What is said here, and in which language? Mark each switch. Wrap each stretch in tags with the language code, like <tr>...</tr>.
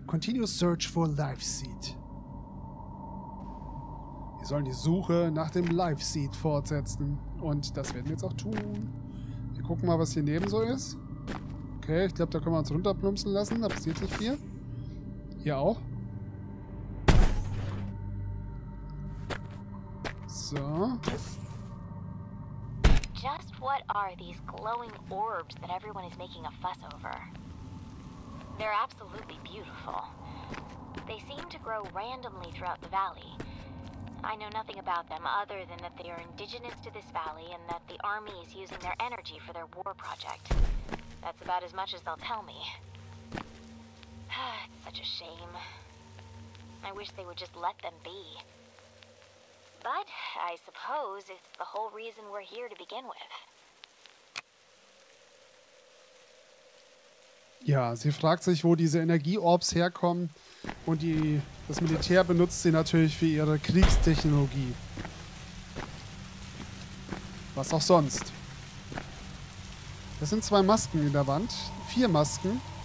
<en>Continuous search for Life Seed.</en> <de>Wir sollen die Suche nach dem Life Seed fortsetzen. Und das werden wir jetzt auch tun. Wir gucken mal, was hier neben so ist. Okay, ich glaube, da können wir uns runterplumpsen lassen. Da passiert nicht viel. Hier auch. So.</de> <en>Just what are these glowing orbs that everyone is making a fuss over? They're absolutely beautiful. They seem to grow randomly throughout the valley. I know nothing about them other than that they are indigenous to this valley and that the army is using their energy for their war project. That's about as much as they'll tell me. It's such a shame. I wish they would just let them be. But I suppose it's the whole reason we're here to begin with.</en> <de>Ja, sie fragt sich, wo diese Energieorbs herkommen und das Militär benutzt sie natürlich für ihre Kriegstechnologie. Was auch sonst. Es sind zwei Masken in der Wand. Vier Masken.</de>